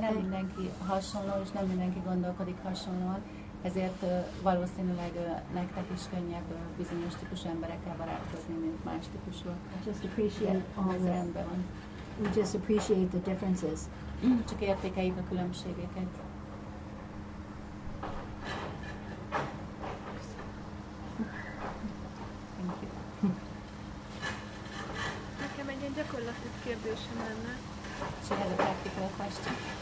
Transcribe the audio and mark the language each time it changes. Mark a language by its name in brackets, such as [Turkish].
[Hungarian] Nem mindenki hasonló, és nem mindenki gondolkodik hasonlóan, ezért valószínűleg nektek is könnyebb bizonyos típus emberekkel barátkozni, mint más típusok. [English] Just appreciate all the. We just appreciate the differences. [Hungarian] Csak értékeljük a különbségeket. Nekem egy ilyen gyakorlati kérdésem lenne. Csinálj a praktikai question.